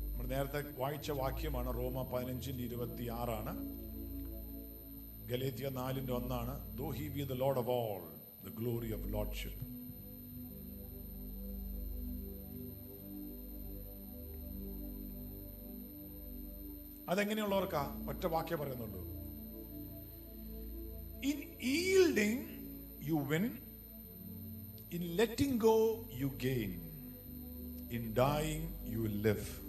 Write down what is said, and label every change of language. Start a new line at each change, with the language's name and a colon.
Malayalam: നേരത്തെ വായിച്ച വാക്യമാണ് റോമ 15:26 ആണ്, ഗലേത്യ 4:1 ആണ്.
English: Though he be the Lord of all, the glory of lordship.
Malayalam: അതെങ്ങനെയുള്ളവർക്ക ഒറ്റ വാക്യം പറയുന്നുള്ളൂ.
English: In yielding you win, in letting go you gain, in dying you live.